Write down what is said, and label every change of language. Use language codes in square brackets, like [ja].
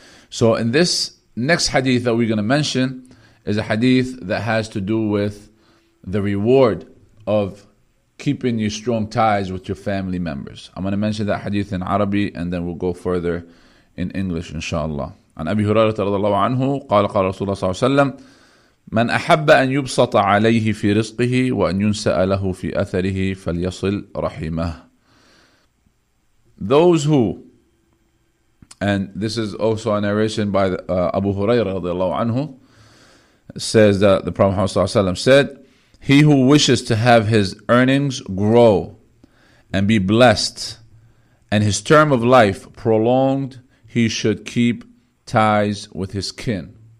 [en] So in this next hadith that we're going to mention is a hadith that has to do with the reward of keeping your strong ties with your family members. I'm going to mention that hadith in Arabic and then we'll go further in English, inshallah. [ar] عن أبي هريرة رضي الله عنه قال قال رسول الله صلى الله عليه وسلم من أحب أن يبسط عليه في رزقه وأن ينسأ له في أثره فليصل رحمه. [en] Those who, and this is also a narration by Abu Hurairah [ar] رضي الله عنه, [en] says that the Prophet [ar] صلى الله عليه وسلم [en] said, he who wishes to have his earnings grow and be blessed and his term of life prolonged, he should keep ties with his kin.